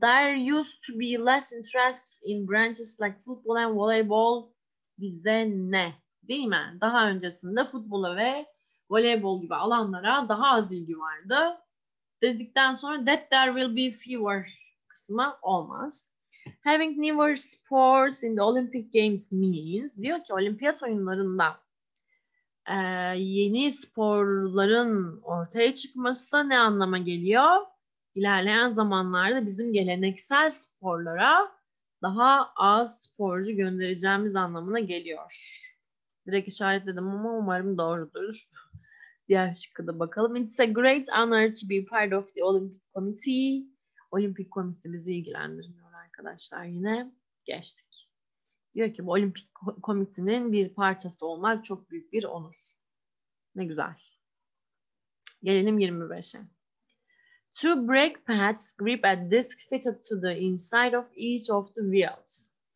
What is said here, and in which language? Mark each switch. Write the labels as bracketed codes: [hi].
[en] There used to be less interest in branches like football and voleybol. [tr] Bizde ne? Değil mi? Daha öncesinde futbola ve voleybol gibi alanlara daha az ilgi vardı. Dedikten sonra [en] that there will be fewer [tr] kısmı olmaz. [en] Having newer sports in the Olympic Games means [tr] diyor ki olimpiyat oyunlarında yeni sporların ortaya çıkması da ne anlama geliyor? İlerleyen zamanlarda bizim geleneksel sporlara daha az sporcu göndereceğimiz anlamına geliyor. Direkt işaretledim ama umarım doğrudur. Diğer şıkkı da bakalım. [en] It's a great honor to be part of the Olympic Committee. [tr] Olimpik komisi bizi ilgilendirmiyor arkadaşlar. Yine geçtik. Diyor ki bu Olimpik komisinin bir parçası olmak çok büyük bir onur. Ne güzel. Gelelim 25'e. [en] Two brake pads grip a disc fitted to the inside of each of the wheels.